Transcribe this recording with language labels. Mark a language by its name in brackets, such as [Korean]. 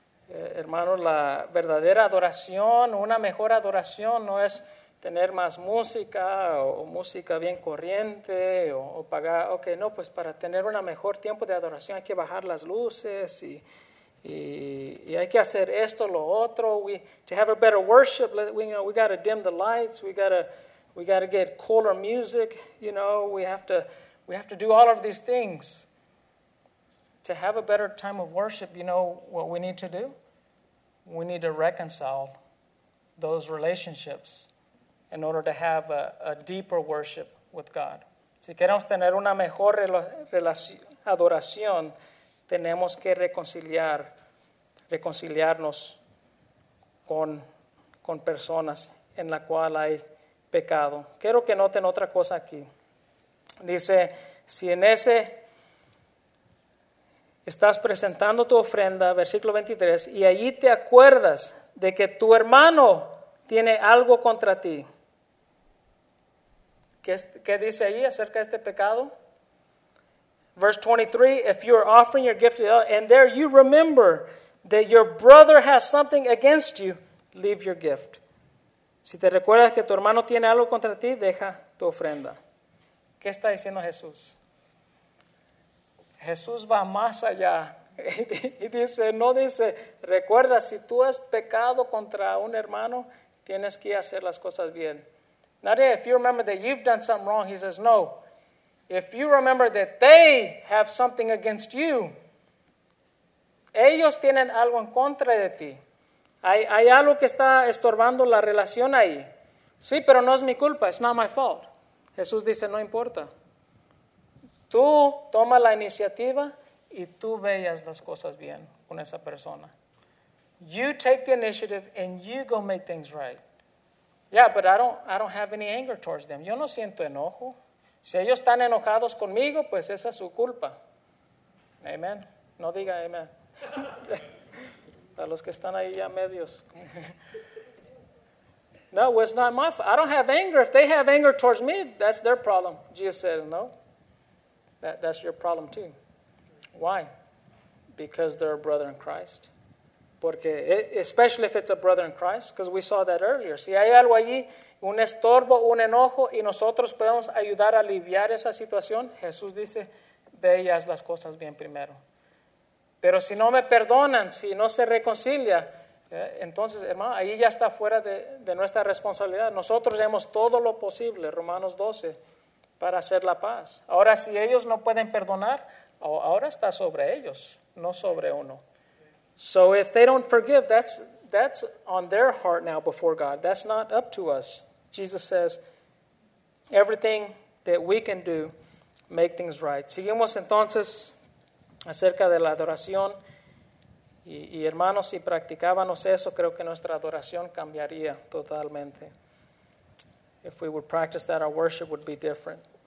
[Spanish] Hermanos, la verdadera adoración, una mejor adoración, no es tener más música o música bien corriente o pagar. Ok, no, pues para tener un mejor tiempo de adoración hay que bajar las luces y hay que hacer esto, lo otro. [English] To have a better worship, we got to dim the lights, we got to get cooler music, you know, we have to do all of these things. To have a better time of worship, you know what we need to do? We need to reconcile those relationships in order to have a deeper worship with God. [Spanish] Si queremos tener una mejor adoración, tenemos que reconciliarnos con personas en la cual hay pecado. Quiero que noten otra cosa aquí. Dice, si en ese estás presentando tu ofrenda, versículo 23, y allí te acuerdas de que tu hermano tiene algo contra ti. ¿Qué dice ahí acerca de este pecado? [English] Verse 23, if you are offering your gift to God, and there you remember that your brother has something against you, leave your gift. [Spanish] Si te recuerdas que tu hermano tiene algo contra ti, deja tu ofrenda. ¿Qué está diciendo Jesús? Jesús va más allá y dice, no dice, recuerda, si tú has pecado contra un hermano, tienes que hacer las cosas bien. [English] Not yet, if you remember that you've done something wrong, he says, no. If you remember that they have something against you, [Spanish] ellos tienen algo en contra de ti. Hay algo que está estorbando la relación ahí. Sí, pero no es mi culpa, [English] it's not my fault. [Spanish] Jesús dice, no importa. Tú toma la iniciativa y tú veas las cosas bien con esa persona. [English] You take the initiative and you go make things right. Yeah, but I don't have any anger towards them. [Spanish] Yo no siento enojo. Si ellos están enojados conmigo, pues esa es su culpa. Amen. No diga amen. A los que están ahí ya medios. [English] No, it's not my fault. I don't have anger. If they have anger towards me, that's their problem. Jesus said, no. That's your problem too. Why? Because they're a brother in Christ. Porque, especially if it's a brother in Christ, because we saw that earlier. [Spanish] Si hay algo allí, un estorbo, un enojo, y nosotros podemos ayudar a aliviar esa situación, Jesús dice, ve y haz las cosas bien primero. Pero si no me perdonan, si no se reconcilia, entonces, hermano, ahí ya está fuera de nuestra responsabilidad. Nosotros hacemos todo lo posible, Romanos 12, para hacer la paz. Ahora, si ellos no pueden perdonar, ahora está sobre ellos, no sobre uno. [English] So if they don't forgive, that's on their heart now before God. That's not up to us. Jesus says, everything that we can do, make things right. [Spanish] Seguimos entonces acerca de la adoración. Y hermanos, si practicábamos eso, creo que nuestra adoración cambiaría totalmente. [English] If we would practice that, our worship would be different.